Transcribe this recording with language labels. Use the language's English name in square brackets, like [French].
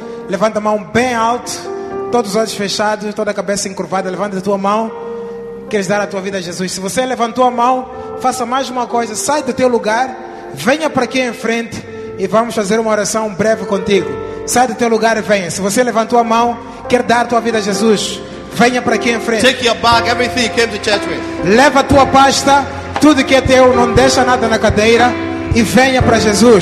[Portuguese] Levanta a mão bem alto, todos os olhos fechados, toda a cabeça encurvada, levanta a tua mão, queres dar a tua vida a Jesus. Se você levantou a mão, faça mais uma coisa, sai do teu lugar, venha para aqui em frente e vamos fazer uma oração breve contigo. Sai do teu lugar e venha. Se você levantou a mão, quer dar tua vida a Jesus, venha para aqui em frente. [English] Take your bag, everything you came to church with. [Portuguese] Leva tua pasta, tudo que é teu, não deixa nada na cadeira e venha para Jesus.